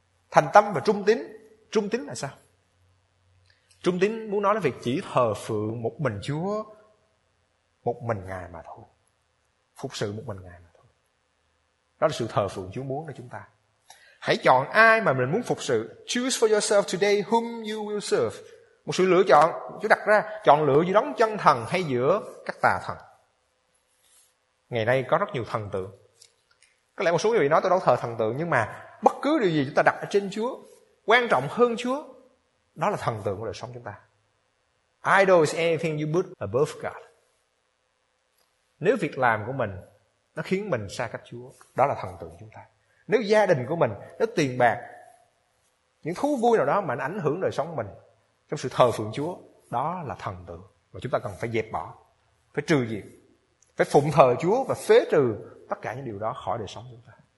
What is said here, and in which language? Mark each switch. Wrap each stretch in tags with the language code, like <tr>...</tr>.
<vi>Thành tâm và trung tín. Trung tín là sao? Trung tín muốn nói đến việc chỉ thờ phượng một mình Chúa, một mình Ngài mà thôi. Phục sự một mình Ngài mà thôi. Đó là sự thờ phượng Chúa muốn cho chúng ta. Hãy chọn ai mà mình muốn phục sự.</vi> <en>Choose for yourself today whom you will serve.</en> <vi>Một sự lựa chọn, Chúa đặt ra, chọn lựa giữa đấng chân thần hay giữa các tà thần. Ngày nay có rất nhiều thần tượng. Có lẽ một số người bị nói tôi đâu thờ thần tượng, nhưng mà bất cứ điều gì chúng ta đặt ở trên Chúa, quan trọng hơn Chúa, đó là thần tượng của đời sống chúng ta.</vi> <en>Idol is anything you put above God.</en> <vi>Nếu việc làm của mình nó khiến mình xa cách Chúa, đó là thần tượng chúng ta. Nếu gia đình của mình, nếu tiền bạc, những thú vui nào đó mà nó ảnh hưởng đời sống mình trong sự thờ phượng Chúa, đó là thần tượng mà chúng ta cần phải dẹp bỏ, phải trừ diệt, phải phụng thờ Chúa và phế trừ tất cả những điều đó khỏi đời sống chúng ta.</vi>